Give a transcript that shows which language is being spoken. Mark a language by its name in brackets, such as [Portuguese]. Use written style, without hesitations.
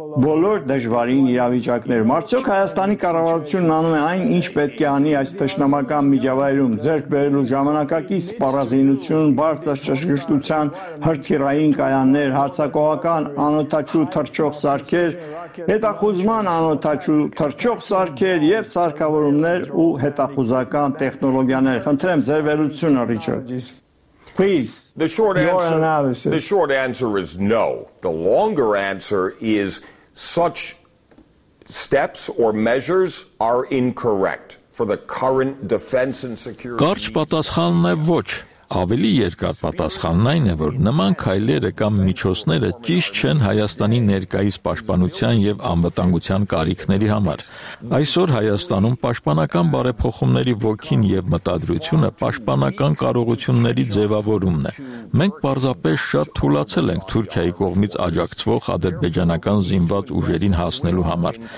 [Armenian] բոլոր դժվարին իրավիճակներում։ Արդյոք Հայաստանի կառավարությունն անում է այն, ինչ պետք է անի այս թշնամական միջավայրում՝ ձեռք բերելու ժամանակակից սպառազինություն, բարձր ճշգրտության հրթիռային կայաններ, հարձակողական անօթաչու թռչող սարքեր, հետախուզման անօթաչու թռչող սարքեր և սարքավորումներ ու հետախուզական տեխնոլոգիաներ։ Խնդրեմ ձեր վերլուծությունը, Richard. [English] Please, the short answer. The short answer is no. The longer answer is such steps or measures are incorrect for the current defense and security. [Armenian] Կարճ պատասխանն է ոչ, ավելի երկար պատասխանն այն է, որ նման քայլերը կամ միջոցները ճիշտ չեն Հայաստանի ներկայիս պաշտպանության և անվտանգության կարիքների համար։ Այսօր Հայաստանում պաշտպանական բարեփոխումների ոգին և մտադրությունը պաշտպանական կարողությունների ձևավորումն է։ Մենք պարզապես շատ թուլացել ենք Թուրքիայի կողմից աջակցվող ադրբեջանական զինված ուժերին հասնելու համար։